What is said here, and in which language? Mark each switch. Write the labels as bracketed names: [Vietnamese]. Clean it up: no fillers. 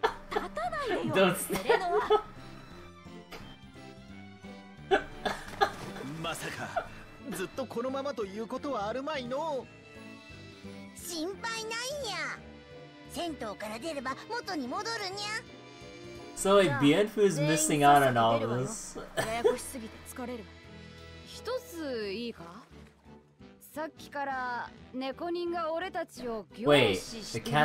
[Japanese] 立たないよ、エレノア。まさか、ずっとこのままということはあるまいの。心配ないんや。戦闘から出れば元に戻るにゃ。 [English] So like Bianfu is missing out on all this. [Japanese] ややこしすぎて疲れる。一ついいか。さっきから猫人が俺たちを凝視してんだ。